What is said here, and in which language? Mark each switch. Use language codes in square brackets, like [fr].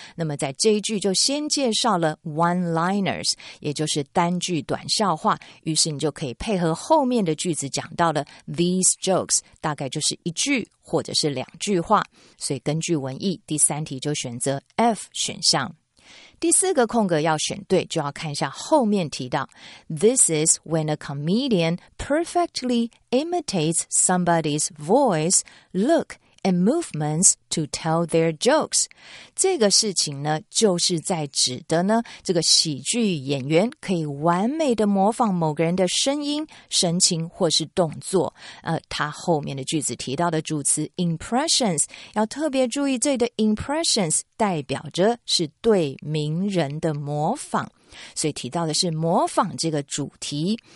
[zh] 那么在这一句就先介绍了 one-liners， 也就是单句短笑话，于是你就可以配合后面的句子讲到了 these jokes， 大概就是一句或者是两句话。所以根据文意，第三题就选择 F 选项。第四个空格要选对，就要看一下后面提到 [en] This is when a comedian perfectly imitates somebody's voice, look and movements to tell their jokes。 [zh] 这个事情呢，就是在指的呢，这个喜剧演员可以完美的模仿某个人的声音、神情或是动作。他后面的句子提到的主词 impressions， 要特别注意这里的 impressions 代表着是对名人的模仿，所以提到的是模仿这个主题。